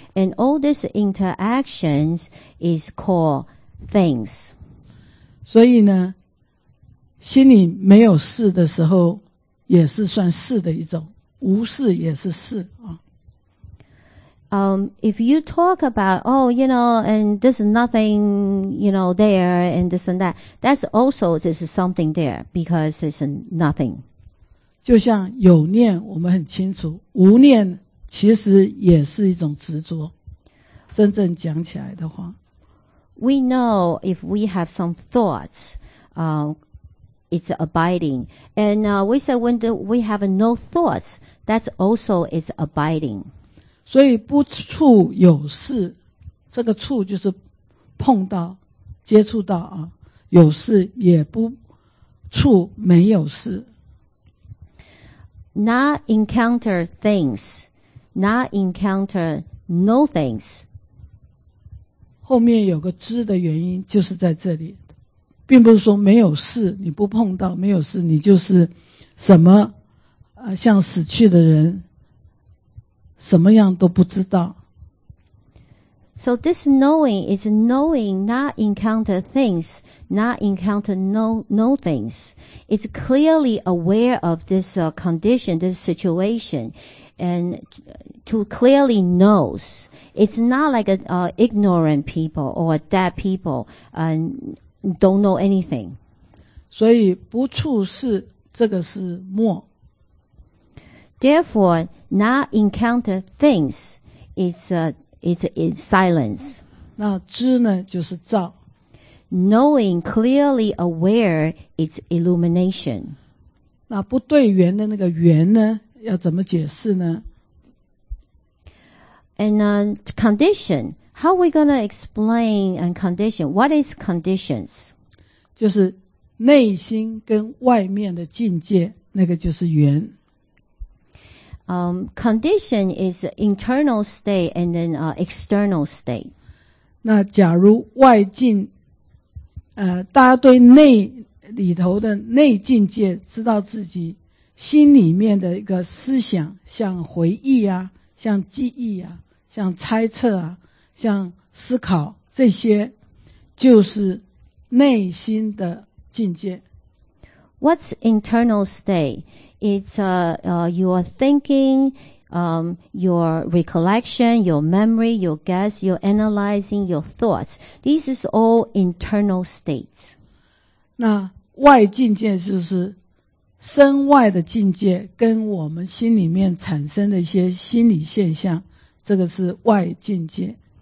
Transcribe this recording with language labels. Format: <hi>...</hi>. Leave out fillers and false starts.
<en>And all these interactions is called things.</en> <zh>所以呢，心里没有事的时候，也是算事的一种，无事也是事啊。</zh> <en>If you talk about, oh, you know, and there's nothing, you know, there and this and that, that's also, this is something there because it's nothing.</en> <zh>就像有念我们很清楚，无念其实也是一种执着，真正讲起来的话。</zh> <en>We know if we have some thoughts, it's abiding. And we say when we have no thoughts, that's also is abiding.</en> <zh>所以不触有事，这个触就是碰到接触到啊，有事也不触没有事。</zh> <en>Not encounter things, not encounter no things.</en> <zh>后面有个知的原因就是在这里，并不是说没有事你不碰到，没有事你就是什么像死去的人什么样都不知道。</zh> <en>So this knowing is knowing not encounter things, not encounter no things. It's clearly aware of this condition, this situation, and to clearly knows. It's not like a ignorant people or a dead people and don't know anything.</en> <zh>所以不触视这个是默。</zh> <en>Therefore, not encounter things, it's silence.</en> <zh>那知呢就是照。</zh> <en>Knowing clearly aware, it's illumination.</en> <zh>那不对缘的那个缘呢，要怎么解释呢？</zh> <en>And condition, how are we going to explain and condition? What is conditions?</en> <zh>就是内心跟外面的境界，那个就是缘。</zh> <en>condition is internal state and then external state.</en> <zh>那假如外境大家对内里头的内境界知道自己心里面的一个思想像回忆啊像记忆啊像猜测啊像思考这些就是内心的境界。</zh> <en>What's internal state? It's your thinking, your recollection, your memory, your guess, your analyzing, your thoughts. This is all internal states.</en> <zh>那外境界就是身外的境界跟我们心里面产生的一些心理现象，这个是外境界。</zh>